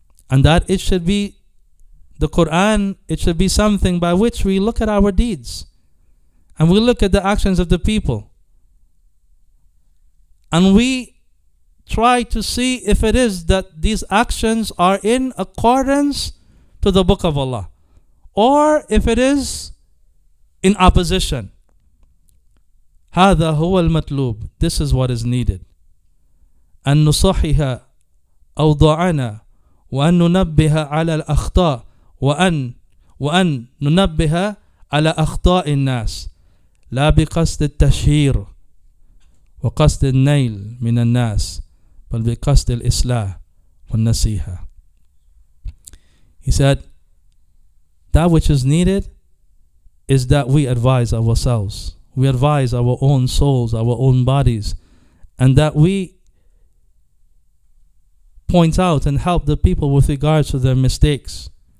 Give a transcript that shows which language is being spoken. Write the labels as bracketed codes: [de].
[en] And that it should be the Quran, it should be something by which we look at our deeds and we look at the actions of the people and we try to see if it is that these actions are in accordance to the book of Allah or if it is in opposition. [ar] هذا هو المطلوب. [en] This is what is needed. [ar] أن نصحح أوضاعنا وأن ننبه على الأخطاء وأن ننبه على أخطاء الناس لا بقصد التشهير وقصد النيل من الناس بل بقصد الإصلاح والنصيحة. [en] He said, that which is needed is that we advise ourselves, we advise our own souls, our own bodies, and that we point out and help the people with regards to their mistakes.